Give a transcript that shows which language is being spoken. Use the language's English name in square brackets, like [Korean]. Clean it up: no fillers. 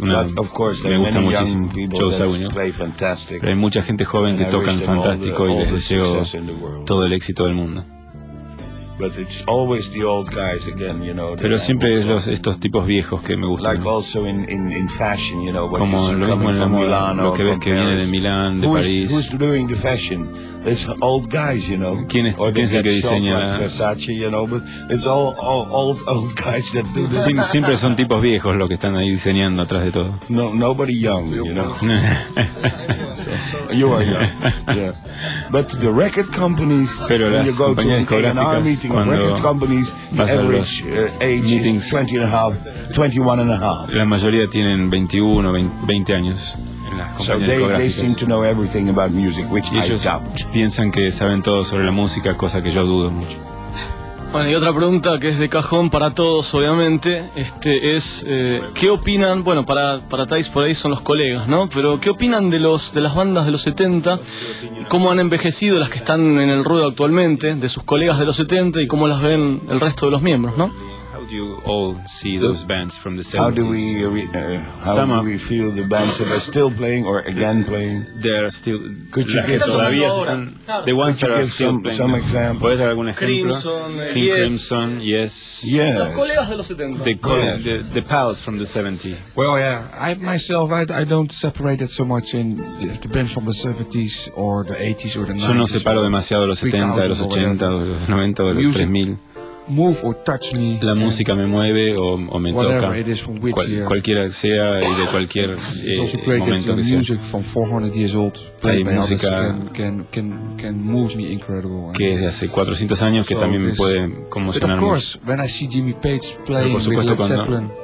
[English] Of course, there are many young people that play fantastic. [Spanish] Hay mucha gente joven que tocan fantástico y les deseo todo el éxito del mundo. [English] But it's always the old guys again, you know. [Spanish] Pero siempre es los estos tipos viejos que me gustan. [English] Like also in fashion, you know, [Spanish] como lo mismo en la moda, lo que ves que viene de Milán, de París. [English] Who's doing the fashion? It's old guys, you know. [Spanish] ¿Quién es el que diseña? [English] Like Versace, you know, but it's all old guys that do that. [Spanish] Siempre son tipos viejos los que están ahí diseñando atrás de todo. [English] No, nobody young, you know. You are young. Yeah. But the record companies, [Spanish] pero [English] when you go to an A&R meeting, record companies, the average age meetings, is 20 and a half, 21 and a half. [Spanish] La mayoría tienen 21 o 20 años. [English] So they seem to know everything about music, which I doubt. [Spanish] Piensan que saben todo sobre la música, cosa que yo dudo mucho. Bueno, y otra pregunta que es de cajón para todos, obviamente, ¿qué opinan? Bueno, para Thais por ahí son los colegas, ¿no? Pero ¿qué opinan de las bandas de los 70? ¿Cómo han envejecido las que están en el ruedo actualmente, de sus colegas de los 70 y cómo las ven el resto de los miembros, ¿no? [English] You all see those bands from the 70s. How do we feel the bands that are still playing or again playing? They are still. Could you give some examples? [Spanish] ¿Puedes dar algún ejemplo? [English] Crimson, yes. Crimson, yes. Yeah. The pals from the 70s. Well, yeah. I myself, I don't separate it so much in the band from the 70s or the 80s or the 90s. [Spanish] Yo no separo demasiado los 70, los 80, los 90 o los 3000. [English] Move or touch me. [Spanish] La música me mueve o me toca. [English] It is from which year. [Spanish] Cualquiera sea y de cualquier momento que sea. [English] Music from 400 years old played by others can move me incredible. [Spanish] Que es de hace 400 años que también me puede conmocionar. [English] Of course, when I see Jimmy Page playing with Led Zeppelin.